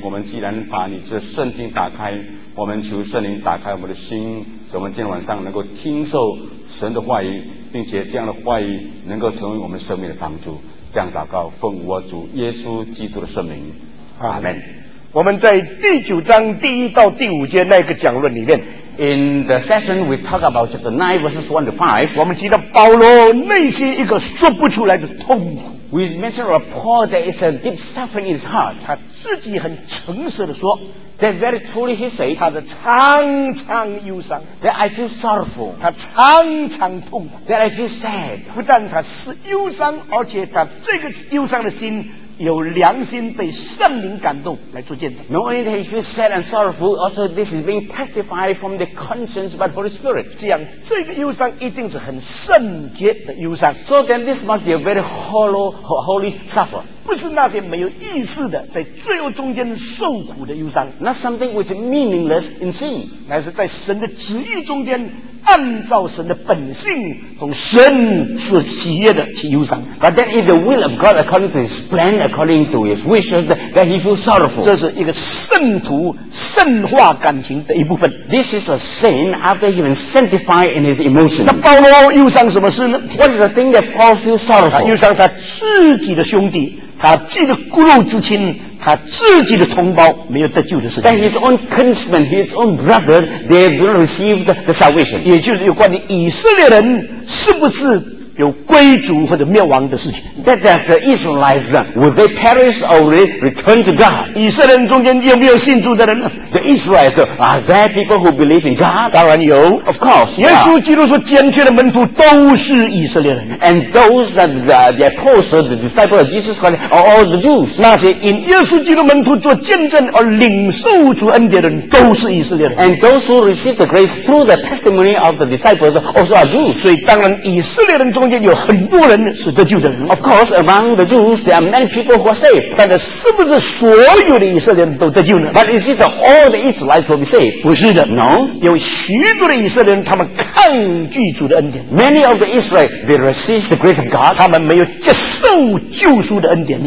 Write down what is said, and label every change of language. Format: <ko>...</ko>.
<zh>我们既然把你这圣经打开，我们求圣灵打开我们的心，使我们今天晚上能够听受神的话语，并且这样的话语能够成为我们生命的帮助。这样祷告奉我主耶稣基督的圣名，阿们。我们在第九章第一到第五节那个讲论里面，</zh> <en>In the session we talk about chapter 9 verses 1 to 5，</en> <zh>我们提到保罗内心一个说不出来的痛苦。</zh> <en>We mentioned a Paul there is a deep suffering in his heart。</en> <zh>他自己很诚实的说，</zh> <en>That very truly he said，</en> <zh>他的常常忧伤，</zh> <en>That I feel sorrowful，</en> <zh>他常常痛苦，</zh> <en>That I feel sad。</en> <zh>不但他是忧伤，而且他这个忧伤的心有良心被圣灵感动来做见证。</zh> <en>Not only that he feels sad and sorrowful， also this is being testified from the conscience by the Holy Spirit。</en> <zh>这样这个忧伤一定是很圣洁的忧伤。</zh> <en>So then this must be a very holy suffer，</en> <zh>不是那些没有意思的在罪恶中间受苦的忧伤。</zh> <en>Not something which is meaningless in sin，</en> <zh>乃是在神的旨意中间按照神的本性从神所喜悦的去忧伤。</zh> <en>But that is the will of God according to his plan， according to his wishes that he feels sorrowful。</en> <zh>这是一个圣徒圣化感情的一部分。</zh> <en>This is a sin after he been sanctified in his emotion。</en> <zh>那保罗忧伤什么事呢？</zh> <en>What is the thing that Paul feels sorrowful？</en> <zh>他忧伤他自己的兄弟，他自己的骨肉之亲，他自己的同胞没有得救的事情。</zh> <en>That his own kinsmen, his own brother, they do not receive the salvation。</en> <zh>也就是有关于以色列人是不是有归主或者灭亡的事情。</zh> <en>That the Israelites, would they perish or return to God？</en> <zh>以色列人中间有没有信主的人呢？</zh> <en>The Israelites, are there people who believe in God？</en> <zh>当然有。</zh> <en>Of course。</en> <zh>耶稣基督说拣选的门徒都是以色列人。</zh> <en>And those that the apostles, the disciples of Jesus Christ are all the Jews。</en> <zh>那些因耶稣基督门徒做见证而领受主恩典的人都是以色列人。</zh> <en>And those who receive the grace through the testimony of the disciples also are Jews。</en> <zh>所以当然以色列人中间有很多人是得救的人。</zh> <en>Of course, among the Jews, there are many people who are saved。</en> <zh>但是是不是所有的以色列人都得救呢？</zh> <en>But is it all the Israelites will be saved？</en> <zh>不是的。</zh> <en>No。</en> <zh>有许多的以色列人他们抗拒主的恩典。</zh> <en>Many of the Israelites, they resist the grace of God。</en> <zh>他们没有接受救赎的恩典。</zh>